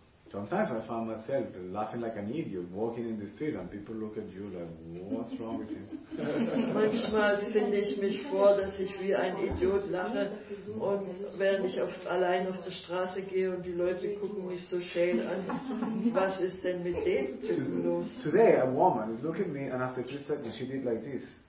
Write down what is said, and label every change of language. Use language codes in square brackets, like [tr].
[en] Sometimes I find myself laughing like an idiot, walking in the street, and people look at you like, what's wrong with him? [de] Manchmal finde ich mich vor, dass ich wie ein Idiot lache, und während ich allein auf der Straße gehe und die Leute gucken mich so schäl an, was ist denn mit dem Typen los? [en] Today a woman is looking at me, and after 3 seconds she did like this.